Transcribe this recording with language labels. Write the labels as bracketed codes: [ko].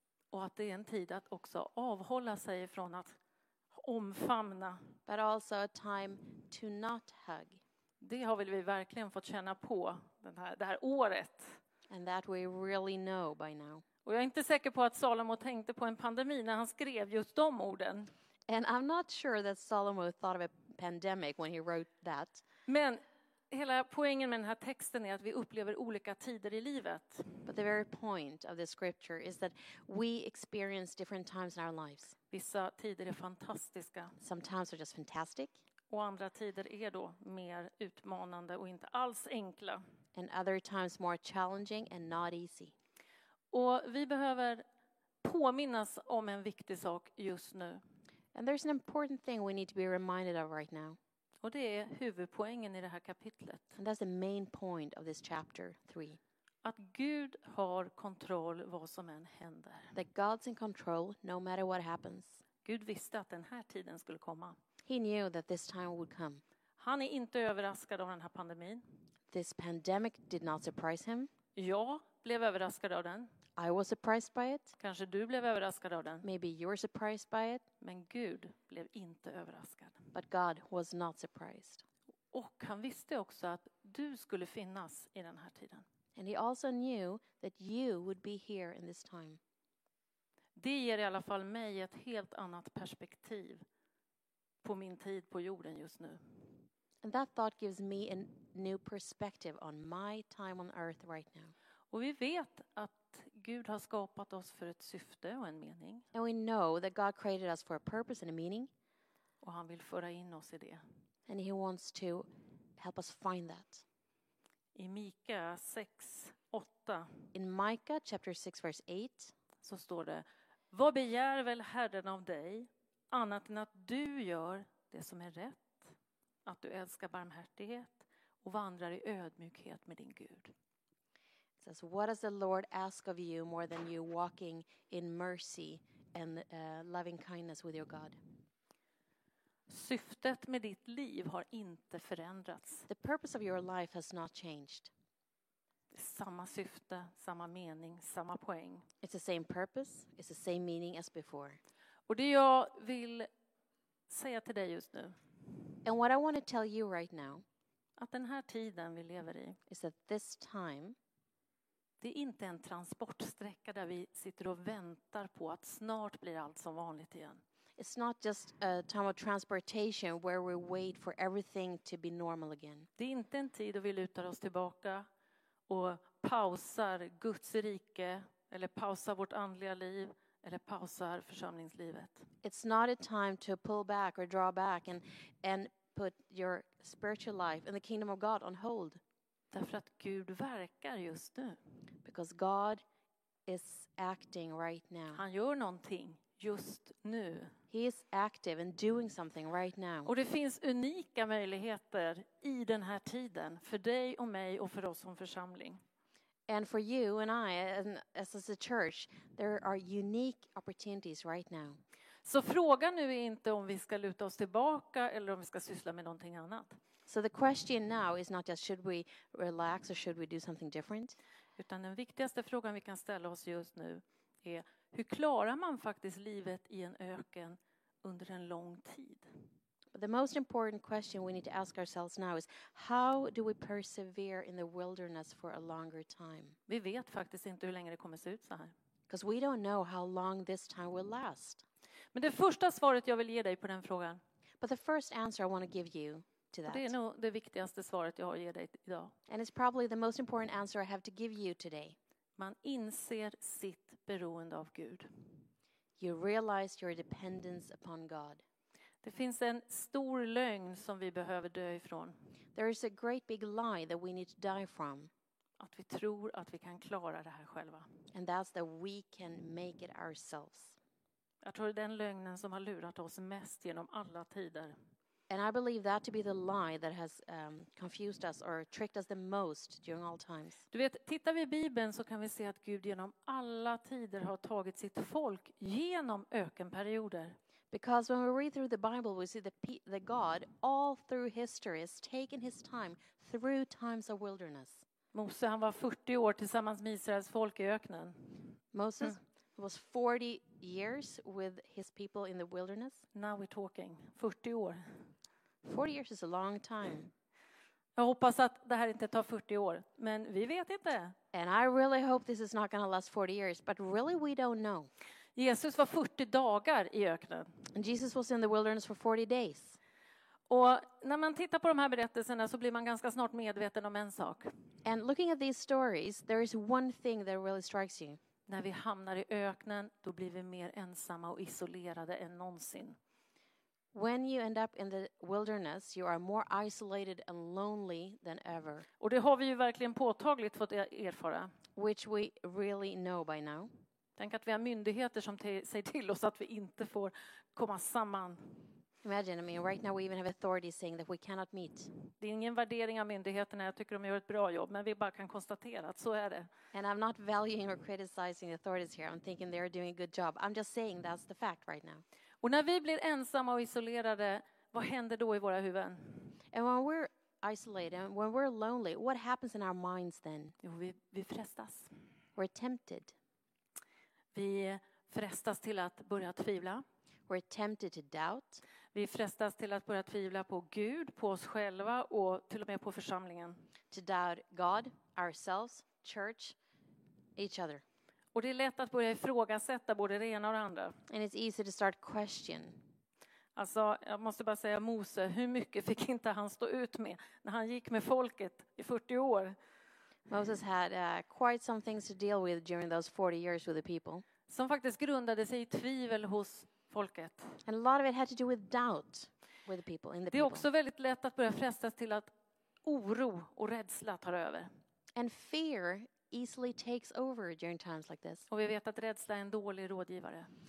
[sv] Och att det är en tid att också avhålla sig från att omfamna. [en] But also a time to not hug. [sv] Det har väl vi verkligen fått känna på det här året. [en] And that we really know by now. [sv] Och jag är inte säker på att Salomo tänkte på en pandemi när han skrev just de orden. [en] And I'm not sure that Salomo thought of a pandemic when he wrote that. [sv] Men hela poängen med den här texten är att vi upplever olika tider i livet. [en] But the very point of the scripture is that we experience different times in our lives. [sv] Vissa tider är fantastiska. [en] Sometimes are just fantastic. [sv] Och andra tider är då mer utmanande och inte alls enkla. [en] And other times more challenging and not easy. [sv] Och vi behöver påminnas om en viktig sak just nu. [en] And there's an important thing we need to be reminded of right now. [sv] Och det är huvudpoängen i det här kapitlet. [en] And that's the main point of this chapter 3. [sv] Att Gud har kontroll vad som än händer. [en] That God's in control no matter what happens. [sv] Gud visste att den här tiden skulle komma. [en] He knew that this time would come. [sv] Han är inte överraskad av den här pandemin. [en] This pandemic did not surprise him. [sv] Jag blev överraskad av den. [en] I was surprised by it. [sv] Kanske du blev överraskad av den. [en] Maybe you were surprised by it. [sv] Men Gud blev inte överraskad. [en] But God was not surprised. [sv] Och han visste också att du skulle finnas i den här tiden. [en] And he also knew that you would be here in this time. [sv] Det ger i alla fall mig ett helt annat perspektiv på min tid på jorden just nu. [en] And that thought gives me a new perspective on my time on earth right now. [sv] Och vi vet att Gud har skapat oss för ett syfte och en mening. [en] And we know that God created us for a purpose and a meaning. [sv] Och han vill föra in oss i det. [en] And he wants to help us find that. [sv] I Mika 6:8. [en] In Micah chapter 6 verse 8 [sv] så står det: vad begär väl Herren av dig annat än att du gör det som är rätt, att du älskar barmhärtighet och vandrar i ödmjukhet med din Gud. [en] It says, what does the Lord ask of you more than you walking in mercy and loving kindness with your God? [sv] Syftet med ditt liv har inte förändrats. [en] The purpose of your life has not changed. [sv] Samma syfte, samma mening, samma poäng. [en] It's the same purpose, it's the same meaning as before. [sv] Och det jag vill säga till dig just nu. [en] And what I want to tell you right now. [sv] Att den här tiden vi lever i. [en] Is that this time. [sv] Det är inte en transportsträcka där vi sitter och väntar på att snart blir allt som vanligt igen. [en] It's not just a time of transportation where we wait for everything to be normal again. [sv] Det är inte en tid då vi lutar oss tillbaka och pausar Guds rike eller pausar vårt andliga liv eller pausar församlingslivet. [en] It's not a time to pull back or draw back and put your spiritual life and the kingdom of God on hold. [sv] Därför att Gud verkar just nu. [en] Because God is acting right now. [sv] Han gör någonting just nu. [en] He is active and doing something right now. [sv] Och det finns unika möjligheter i den här tiden för dig och mig och för oss som församling. [en] And for you and I and as a church, there are unique opportunities right now. [sv] Så frågan nu är inte om vi ska luta oss tillbaka eller om vi ska syssla med någonting annat. [en] So the question now is not just should we relax or should we do something different? [sv] Utan den viktigaste frågan vi kan ställa oss just nu är hur klarar man faktiskt livet i en öken under en lång tid? [en] The most important question we need to ask ourselves now is how do we persevere in the wilderness for a longer time? [sv] Vi vet faktiskt inte hur länge det kommer se ut så här. [en] Because we don't know how long this time will last. [sv] Men det första svaret jag vill ge dig på den frågan. [en] But the first answer I want to give you to that. [sv] Det är nog det viktigaste svaret jag har att ge dig idag. [en] And it's probably the most important answer I have to give you today. [sv] Man inser sitt beroende av Gud. [en] You realize your dependence upon God. [sv] Det finns en stor lögn som vi behöver dö ifrån. [en] There is a great big lie that we need to die from. [sv] Att vi tror att vi kan klara det här själva. [en] And that's that we can make it ourselves. [sv] Jag tror det är den lögnen som har lurat oss mest genom alla tider. [en] And I believe that to be the lie that has confused us or tricked us the most during all times. [sv] Du vet, tittar vi i Bibeln så kan vi se att Gud genom alla tider har tagit sitt folk genom ökenperioder. [en] Because when we read through the Bible we see that God all through history has taken his time through times of wilderness. [sv] Mose, han var 40 år tillsammans med Israels folk i öknen. [en] Moses was 40 years with his people in the wilderness. Now we're talking 40 år. 40 years is a long time. [sv] Jag hoppas att det här inte tar 40 år, men vi vet inte. [en] And I really hope this is not going to last 40 years, but really we don't know. [sv] Jesus var 40 dagar i öknen. [en] And Jesus was in the wilderness for 40 days. [sv] Och när man tittar på de här berättelserna så blir man ganska snart medveten om en sak. [en] And looking at these stories, there is one thing that really strikes you. [sv] När vi hamnar i öknen, då blir vi mer ensamma och isolerade än någonsin. [en] When you end up in the wilderness, you are more isolated and lonely than ever. [sv] Och det har vi ju verkligen påtagligt fått erfara. [en] Which we really know by now. [sv] Tänk att vi har myndigheter som säger till oss att vi inte får komma samman. [en] Imagine, I mean, right now we even have authorities saying that we cannot meet. [sv] Det är ingen värdering av myndigheterna. Jag tycker de gör ett bra jobb, men vi bara kan konstatera att så är det. [en] And I'm not valuing or criticizing the authorities here. I'm thinking they are doing a good job. I'm just saying that's the fact right now. [sv] Och när vi blir ensamma och isolerade, vad händer då i våra huvuden? [en] And when we're isolated, and when we're lonely, what happens in our minds then? [sv] Jo, vi frestas. [en] We're tempted. [sv] Vi frestas till att börja tvivla. [en] We're tempted to doubt. [sv] Vi frestas till att börja tvivla på Gud, på oss själva och till och med på församlingen. [en] To doubt God, ourselves, church, each other. [sv] Och det är lätt att börja ifrågasätta både det ena och det andra. [en] And it's easy to start question. [sv] Alltså, jag måste bara säga Mose, hur mycket fick inte han stå ut med när han gick med folket i 40 år? [en] Moses had quite some things to deal with during those 40 years with the people. [sv] Som faktiskt grundade sig i tvivel hos folket. [en] And a lot of it had to do with doubt with the people. [sv] Det är också väldigt lätt att börja frestas till att oro och rädsla tar över. [en] And fear easily takes over during times like this. [sv] Och vi vet att rädsla är en dålig rådgivare.